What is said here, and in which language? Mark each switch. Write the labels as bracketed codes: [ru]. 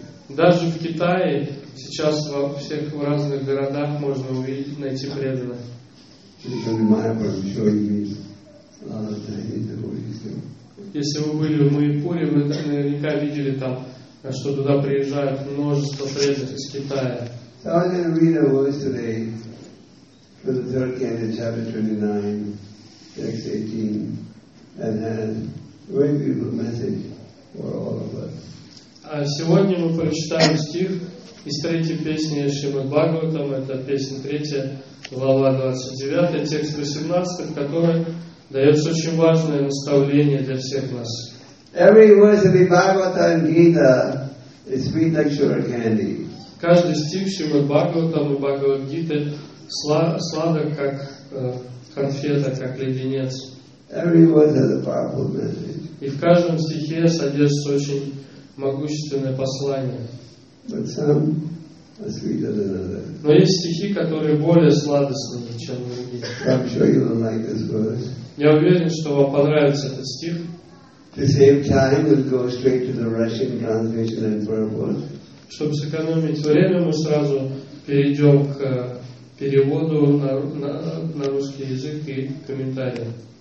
[ru] Даже в Китае сейчас во всех разных городах можно увидеть, найти преданных. Если вы были в Майяпуре, вы наверняка видели там, что туда приезжают множество преданных из Китая. [en] So I'm going to read a verse today for the third canon, chapter 29, text 18, and then a very beautiful message for all of us. [ru] Сегодня мы прочитаем стих из третьей песни Шримад Бхагаватам, это песня третья, глава 29, текст 18, в которой дается очень важное наставление для всех нас. [en] Every verse of the Bhagavata and Gita is sweet like sugar candy. [ru] Каждый стих Шримад Бхагаватам и Бхагавад Гиты сладок как конфета, как леденец. [en] Every verse has a powerful message. [ru] И в каждом стихе содержится очень могущественное послание. [en] But some are sweeter than others. [ru] Но есть стихи, которые более сладостные, чем другие. [en] I'm sure you will like this verse. [ru] Я уверен, что вам понравится этот стих. [en] To save time, we'll go straight to the Russian translation and purport. [ru] Чтобы сэкономить время, мы сразу перейдем к переводу на русский язык и комментариям.